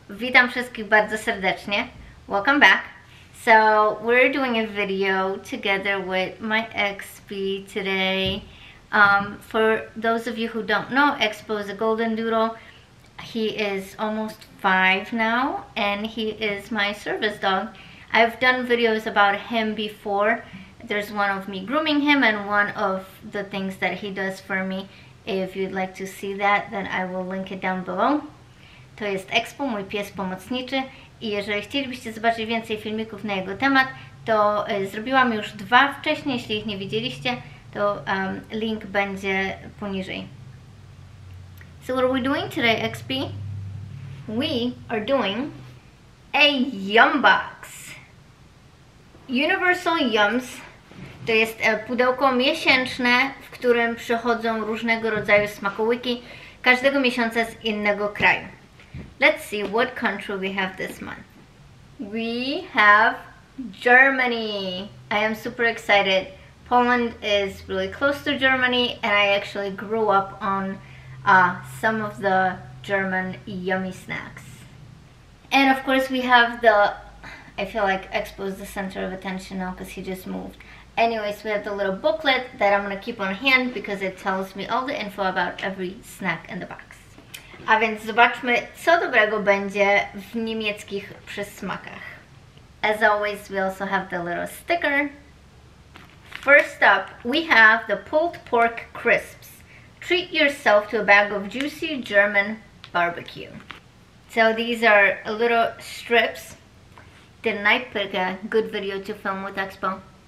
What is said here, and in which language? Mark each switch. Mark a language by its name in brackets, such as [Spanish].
[Polish] Witam wszystkich bardzo serdecznie. [English] Welcome back. So we're doing a video together with my Expo today. For those of you who don't know, Expo is a golden doodle. He is almost 5 now and he is my service dog. I've done videos about him before. There's one of me grooming him and one of the things that he does for me. If you'd like to see that, then I will link it down below. [Polish] To jest Expo, mój pies pomocniczy. I jeżeli chcielibyście zobaczyć więcej filmików na jego temat, to zrobiłam już 2 wcześniej. Jeśli ich nie widzieliście, to link będzie poniżej. [English] So what are we doing today, XP? We are doing a yum box. [Polish] Universal Yums to jest pudełko miesięczne, w którym przychodzą różnego rodzaju smakołyki każdego miesiąca z innego kraju. [English] Let's see what country we have this month. We have Germany. I am super excited. Poland is really close to Germany and I actually grew up on some of the German yummy snacks. And of course we have the, I feel like Expo is the center of attention now because he just moved. Anyways, we have the little booklet that I'm gonna keep on hand because it tells me all the info about every snack in the box. [Polish] A więc zobaczmy, co dobrego będzie w niemieckich przysmakach. [English] As always, we also have the little sticker. First up, we have the pulled pork crisps. Treat yourself to a bag of juicy German barbecue. So these are little strips. Didn't I pick a good video to film with Expo?